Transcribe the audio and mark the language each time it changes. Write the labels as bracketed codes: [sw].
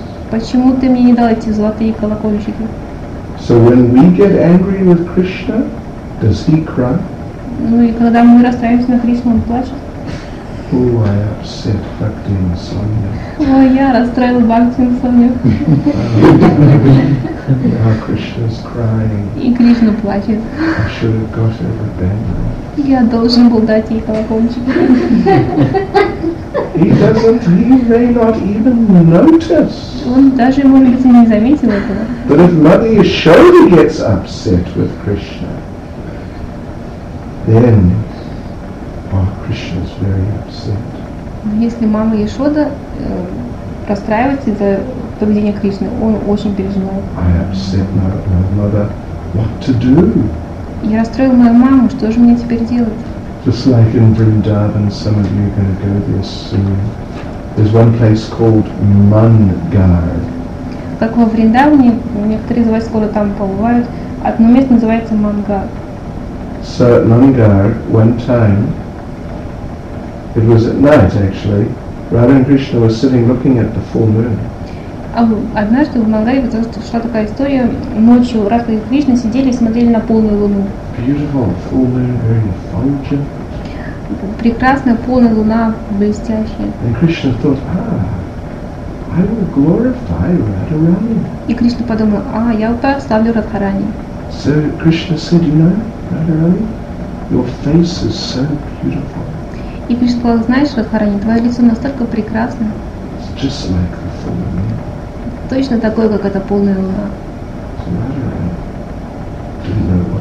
[ru] Почему ты мне не дал эти золотые колокольчики? [en] So when we get angry with Krishna, does he cry? [ru] Ну и когда мы расстраиваемся на Кришну, он плачет? [en] Oh, I upset Bhakti and Sonya. [ru] Ой, я расстроил Бхакти и Соню. [en] Now Krishna's crying. [ru] И Кришна плачет. [en] I should have got her a bangle. [ru] Я должен был дать ей колокольчики. [en] He doesn't, he may not even notice. [ru] Он даже, может быть, и не заметил этого. [en] But if Mother Yashoda gets upset with Krishna, then Krishna is very upset. [ru] Если мама Яшода расстраивается из-за поведения Кришны, он очень переживает. [en] I upset my mother. What to do? [ru] Я расстроил мою маму. Что же мне теперь делать? [en] Just like in Vrindavan, some of you are going to go there soon. There's one place called Mangar. [ru] Как во Вриндаване, некоторые из вас скоро там побывают. Одно место называется Мангар. [en] So at Mangar, one time, it was at night actually, Radha and Krishna were sitting looking at the full moon. [ru] Однажды в Мангаре произошла такая история. Ночью Радха и Кришна сидели и смотрели на полную луну. [en] Beautiful, full moon, very effulgent. [ru] Прекрасная полная луна, блестящая. [en] And Krishna thought, I will glorify Radharani. [ru] И Кришна подумал, я прославлю Радхарани. [en] So Krishna said, you know, Radharani, your face is so beautiful. [ru] И Кришна сказал, знаешь, Радхарани, твое лицо настолько прекрасно. [en] It's just like the full moon. [ru] Точно такой, как эта полная луна.